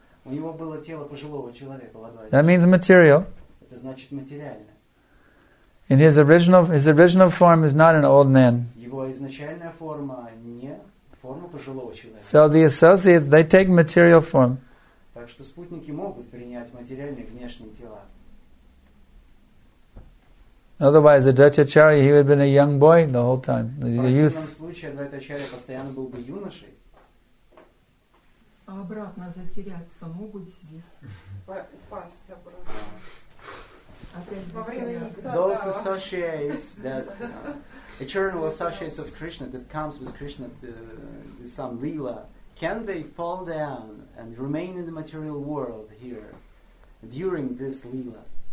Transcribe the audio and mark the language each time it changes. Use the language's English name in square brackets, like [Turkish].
[Russian] У него было тело пожилого человека, [English] that means material. [Russian] Это значит материальное. [English] In his original form is not an old man. [Russian] Его изначальная форма не форма пожилого человека. [English] So the associates, they take material form. [Russian] Так что спутники могут принять материальные внешние тела. [English] Otherwise, Advaita Acharya, he would have been a young boy the whole time, a youth. [Russian] В противном случае Advaita Acharya постоянно был бы юношей. А обратно затеряться могут здесь? Упасть обратно. Опять во время Исхода. [English] Those associates that eternal associates of Krishna that comes with Krishna to some lila, can they fall down and remain in the material world here during this lila?